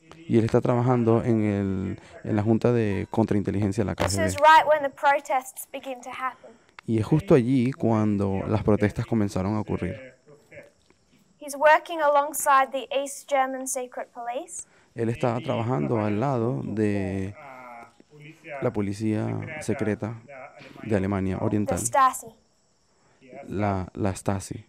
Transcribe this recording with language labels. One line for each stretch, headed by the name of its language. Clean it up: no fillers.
Spanish: Y él está trabajando en la Junta de Contrainteligencia de la KGB.
English: This is right when the protests begin to happen.
Spanish: Y es justo allí cuando las protestas comenzaron a ocurrir.
English: He He's working alongside the East German secret police.
Spanish: Él está trabajando al lado de la policía secreta de Alemania Oriental, la Stasi.